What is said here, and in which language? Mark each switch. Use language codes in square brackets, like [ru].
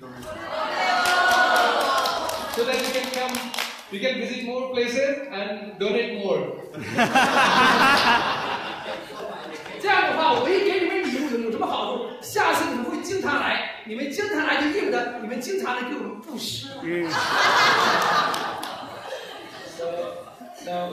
[zh] 这个小包啊，能你拿了以后给你带来吉祥和幸运。 [en] So that you can come, you can visit more places and donate more. [zh] 这样的话，我一给你们礼物有什么好处？下次你们会经常来。你们经常来就意味着你们经常来给我们布施。 [en] So,